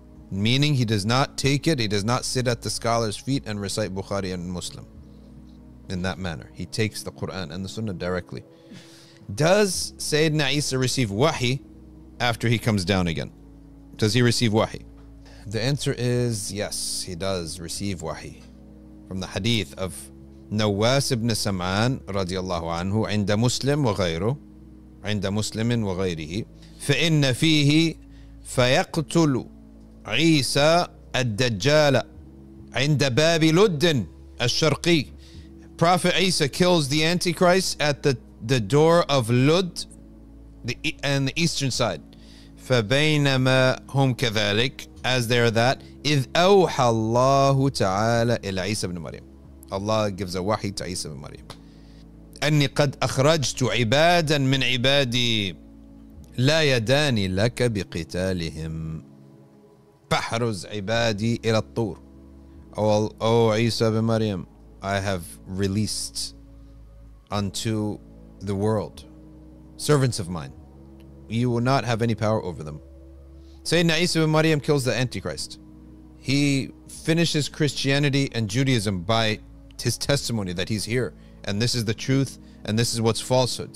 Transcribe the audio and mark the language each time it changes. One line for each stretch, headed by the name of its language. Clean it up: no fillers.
English: Meaning he does not take it, he does not sit at the scholar's feet and recite Bukhari and Muslim in that manner. He takes the Quran and the Sunnah directly. Does Sayyidina Isa receive wahi after he comes down again? Does he receive wahi? The answer is yes, he does receive wahi. From the hadith of Nawas ibn Sam'an radiallahu anhu,
Arabic: عند مسلم وغيره, عند مسلم وغيره, فإن فيه فيقتل عيسى الدجال عند باب لدن الشرقي.
English: Prophet Isa kills the Antichrist at the door of Lud, and the eastern side.
Arabic: فبينما هم كذلك,
English: as they are that,
Arabic: إذ أوحى الله تعالى إلى عيسى بن مريم.
English: Allah gives a wahi to Isa bin Maryam.
Arabic: أني قد أخرجت عبادا من عبادي لا يداني لك بقتالهم فحرز عبادي إلى الطور.
English: Oh Isa bin Maryam, I have released unto the world servants of mine. You will not have any power over them. Sayyidina Isa bin Maryam kills the Antichrist. He finishes Christianity and Judaism by his testimony that he's here and this is the truth and this is what's falsehood.